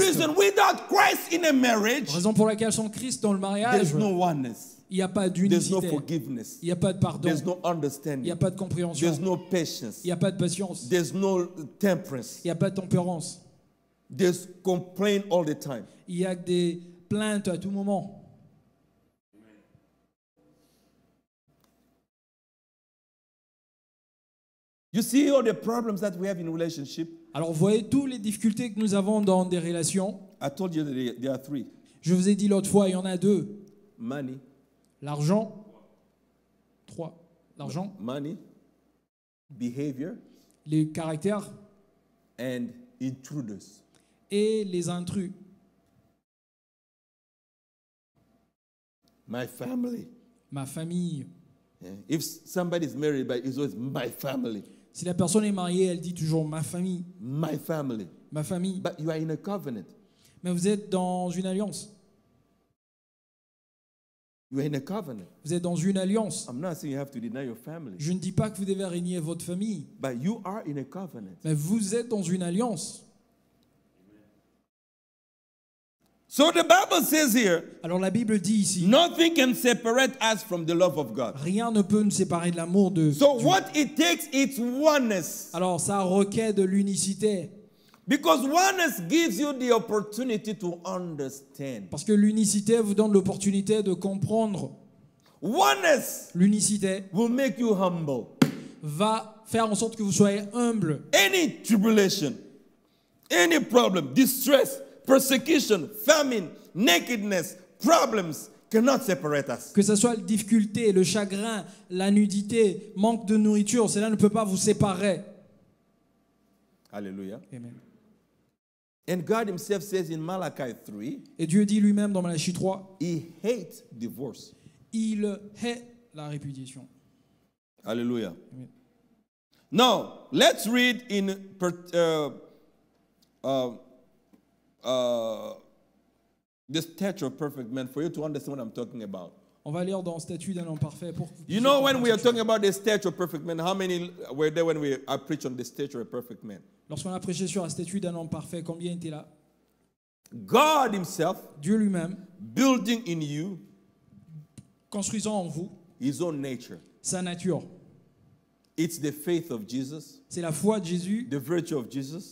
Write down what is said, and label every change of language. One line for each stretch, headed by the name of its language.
English: That's the reason without Christ in a marriage,
French: raison pour laquelle sans Christ dans le mariage,
English: there's no oneness.
French: Il n'y a pas d'unicité.
English: There's no forgiveness.
French: Il n'y a pas de pardon.
English: There's no understanding.
French: Il n'y a pas de compréhension.
English: There's no patience.
French: Il n'y a pas de patience.
English: There's no temperance.
French: Il n'y a pas de tempérance.
English: There's complaint all the time.
French: Il y a des plaintes à tout moment.
English: You see all the problems that we have in relationship.
French: Alors voyez toutes les difficultés que nous avons dans des relations.
English: I told you that there are three.
French: Je vous ai dit l'autre fois, il y en a deux.
English: Money.
French: L'argent. Trois. L'argent.
English: Money. Behavior.
French: Les caractères.
English: And intruders.
French: Et les intrus.
English: My family.
French: Ma famille.
English: Yeah. If somebody is married, but it's always my family.
French: Si la personne est mariée, elle dit toujours ma famille.
English: My family.
French: Ma famille.
English: But you are in a covenant.
French: Mais vous êtes dans une alliance.
English: You are in a covenant.
French: Vous êtes dans une alliance.
English: I'm not saying you have to deny your family.
French: Je ne dis pas que vous devez renier votre famille.
English: But you are in a covenant.
French: Mais vous êtes dans une alliance.
English: So the Bible says here,
French: alors la Bible dit ici,
English: nothing can separate us from the love of God.
French: Rien ne peut nous séparer de l'amour de
English: so
French: Dieu.
English: What it takes is oneness.
French: Alors ça requiert de l'unicité.
English: Because oneness gives you the opportunity to understand.
French: Parce que l'unicité vous donne l'opportunité de comprendre.
English: Oneness
French: l'unicité
English: will make you humble.
French: Va faire en sorte que vous soyez humble.
English: Any tribulation, any problem, distress, persecution, famine, nakedness, problems, cannot separate us.
French: Que ce soit la difficulté, le chagrin, la nudité, manque de nourriture, cela ne peut pas vous séparer. Alléluia. Amen.
English: And God himself says in Malachi 3,
French: et Dieu dit lui-même dans Malachi 3,
English: he hates divorce.
French: Il hait la répudiation. Alléluia.
English: Now, let's read in the statue of perfect man for you to understand what I'm talking about.
French: On va lire dans statue d'un homme parfait pour.
English: You know when we are talking about the statue of perfect man, how many were there when I preached on the statue of perfect man?
French: Lorsqu'on a prêché sur la statue d'un homme parfait, combien étaient là?
English: God himself,
French: Dieu lui-même,
English: building in you,
French: construisant en vous,
English: his own nature,
French: sa nature.
English: It's the faith of Jesus.
French: C'est la foi de Jésus.
English: The virtue of Jesus.